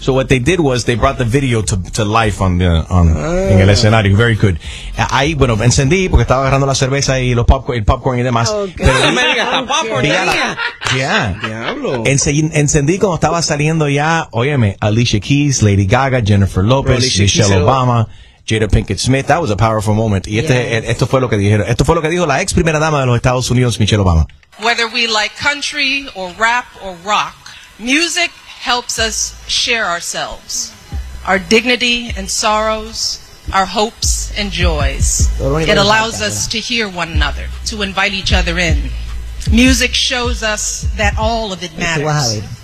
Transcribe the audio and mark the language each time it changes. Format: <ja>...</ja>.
<en>So what they did was they brought the video to life</en> <es>en el escenario.</es> <en>Very good.</en> <es>Ahí, bueno, encendí porque estaba agarrando la cerveza y los popcorn y demás. Pero no me digas, está popcorn. Diablo. Encendí cuando estaba saliendo ya, óyeme, Alicia Keys, Lady Gaga, Jennifer Lopez, Michelle Obama, Jada Pinkett Smith.</es> <en>That was a powerful moment.</en> <es>Y esto fue lo que dijeron. Esto fue lo que dijo la ex primera dama de los Estados Unidos, Michelle Obama.</es> <en>Whether we like country or rap or rock, music helps us share ourselves, our dignity and sorrows, our hopes and joys. It allows us to hear one another, to invite each other in. Music shows us that all of it matters.</en>